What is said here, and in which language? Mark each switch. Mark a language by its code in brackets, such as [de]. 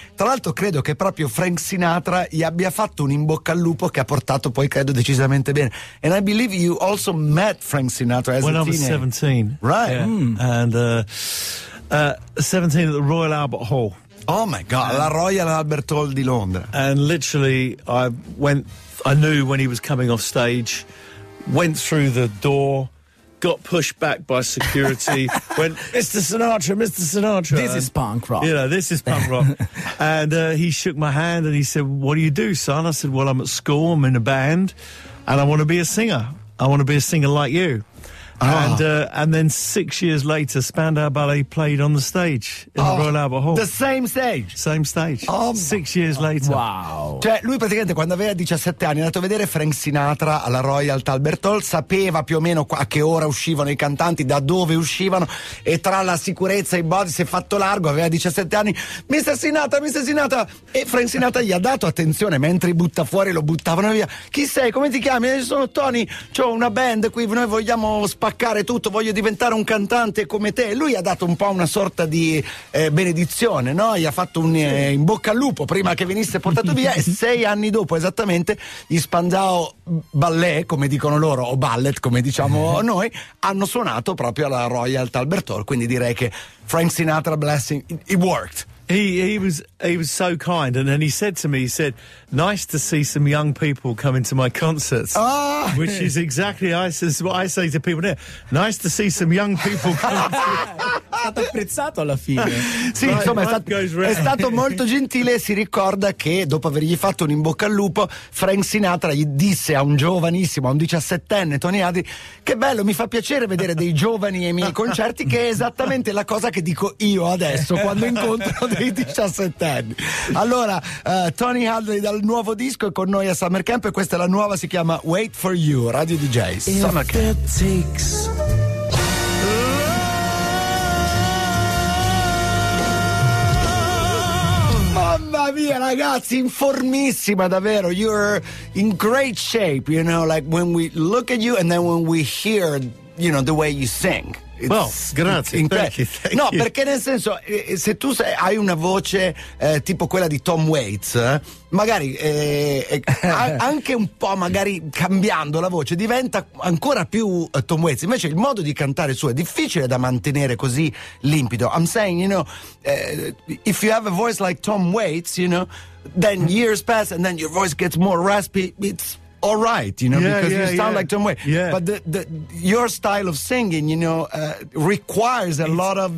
[it] Tra l'altro credo che proprio Frank Sinatra gli abbia fatto un in bocca al lupo che ha portato poi, credo, decisamente bene. [en] And I believe you also met Frank Sinatra as when a teenager. When I was 17. Right. Yeah. Mm. And 17 at the Royal Albert Hall. Oh my God, [it] la Royal Albert Hall di Londra. [en] And literally, I knew when he was coming off stage, went through the door, got pushed back by security, went, Mr. Sinatra, Mr. Sinatra. This is punk rock. You know, this is punk rock. And he shook my hand and he said, what do you do, son? I said, well, I'm at school, I'm in a band, and I want to be a singer. I want to be a singer like you. And then 6 years later, Spandau Ballet played on the stage in the Royal Albert Hall. The same stage? Same stage. Six years later. Wow. [it] Cioè, lui praticamente quando aveva 17 anni è andato a vedere Frank Sinatra alla Royal Albert Hall, sapeva più o meno a che ora uscivano i cantanti, da dove uscivano, e tra la sicurezza e i body si è fatto largo, aveva 17 anni. [en] Mr. Sinatra! [it] E Frank Sinatra gli ha dato attenzione mentre butta fuori, lo buttavano via. Chi sei? Come ti chiami? Sono Tony, c'ho una band qui, noi vogliamo spaccare tutto, voglio diventare un cantante come te. Lui ha dato un po' una sorta di benedizione, no? Gli ha fatto un in bocca al lupo prima che venisse portato via. E 6 anni dopo esattamente gli Spandau Ballet, come dicono loro, o Ballet come diciamo noi, hanno suonato proprio alla Royal Albert Hall. Quindi direi che Frank Sinatra [en] blessing, it worked. He was so kind, and then he said, nice to see some young people come into my concerts. Oh. Which is exactly what I say to people there. Nice to see some young people come into [it] stato apprezzato alla fine. Sì, insomma, è stato molto gentile. Si ricorda che dopo avergli fatto un in bocca al lupo, Frank Sinatra gli disse a un giovanissimo, a un 17enne, Tony Adi, che bello, mi fa piacere vedere dei giovani ai miei concerti, che è esattamente la cosa che dico io adesso quando incontro dei 17enni. Allora, Tony Adi dal nuovo disco è con noi a Summer Camp, e questa è la nuova, si chiama Wait For You, Radio DJ Summer Camp. Mia, ragazzi, informissima davvero. [en] You're in great shape, you know, like when we look at you and then when we hear, you know, the way you sing. [it] Grazie, [en] thank you. [it] Perché nel senso, se tu hai una voce tipo quella di Tom Waits, magari anche un po' magari cambiando la voce diventa ancora più Tom Waits. Invece il modo di cantare suo è difficile da mantenere così limpido. [en] I'm saying, you know, if you have a voice like Tom Waits, you know, then years pass and then your voice gets more raspy, it's all right, you know, because you sound like Tom Waits. Yeah. But the your style of singing, you know, requires a lot of